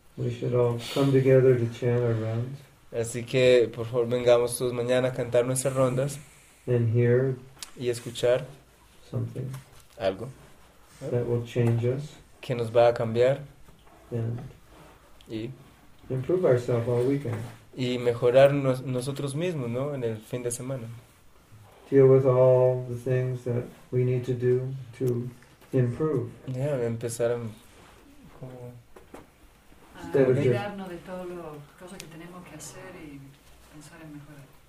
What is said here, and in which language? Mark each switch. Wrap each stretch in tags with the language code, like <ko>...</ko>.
<en>We should all come together to chant our rounds.</en> <es>Así que por favor vengamos todos mañana a cantar nuestras rondas.</es> <en>And hear</en> <es>y escuchar</es> <en>something</en> <es>algo</es> <en>that will change us.</en> <es>Que nos va a cambiar.</es> <en>And</en> <es>y</es> <en>improve ourselves all weekend.</en> <es>Y mejorar nosotros mismos, ¿no? En el fin de semana.</es> <en>Deal with all the things that we need to do to improve.</en> <es>Yeah, empezar a olvidarnos de todo lo cosas que tenemos que hacer y pensar en mejorar.</es>